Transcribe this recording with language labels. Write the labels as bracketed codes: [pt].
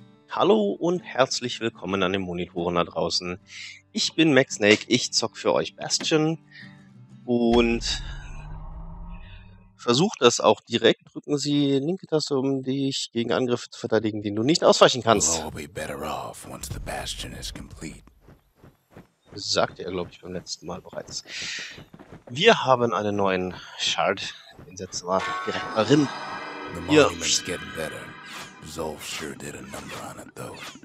[de] Hallo und herzlich willkommen an den Monitoren da draußen. Ich bin McSnake, ich zock für euch Bastion und versucht das auch direkt. Drücken Sie linke Taste, um dich gegen Angriffe zu verteidigen, den du nicht ausweichen kannst. [en] We'll be better off once the Bastion is complete. [de] Sagte er, glaube ich, beim letzten Mal bereits. Wir haben einen neuen Shard. Den setzen wir direkt mal rein. [en] The monument's getting better. Zolf sure did a number on it, though.